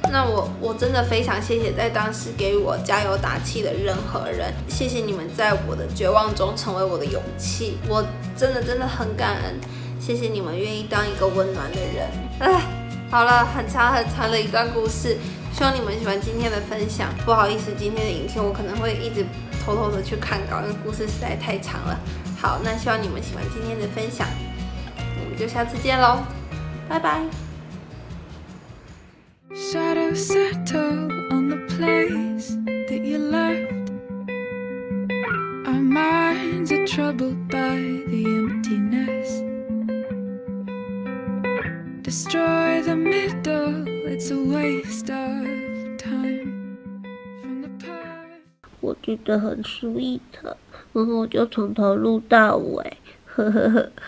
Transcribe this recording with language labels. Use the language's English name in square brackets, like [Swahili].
[Chinese] 那我真的非常谢谢在当时给我加油打气的任何人，谢谢你们在我的绝望中成为我的勇气，我真的真的很感恩，谢谢你们愿意当一个温暖的人。好了，很长很长的一段故事，希望你们喜欢今天的分享。不好意思，今天的影片我可能会一直偷偷的去看稿，因为故事实在太长了。好，那希望你们喜欢今天的分享，我们就下次见咯，拜拜。 [English] Shadow settle on the place that you left. Our minds are troubled by the emptiness. Destroy the middle, it's a waste of time. From the past. [Chinese] 我觉得很 sweet， 然后我就从头录到尾，呵呵呵。